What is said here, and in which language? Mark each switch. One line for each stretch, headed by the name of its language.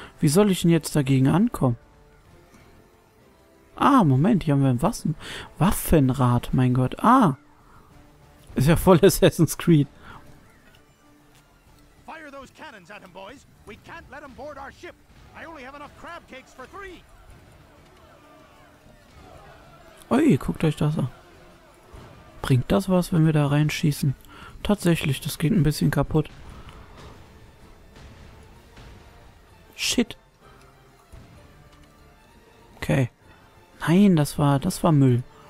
German: Wie soll ich denn jetzt dagegen ankommen? Ah, Moment, hier haben wir ein Waffenrad, mein Gott. Ah. Ist ja voll Assassin's Creed.
English: Fire those cannons at him, boys. We can't let him board our ship. I only have enough crab cakes for three.
German: Ui, guckt euch das an. Bringt das was, wenn wir da reinschießen? Tatsächlich, das geht ein bisschen kaputt.
English: Shit.
German: Okay. Nein, das war Müll.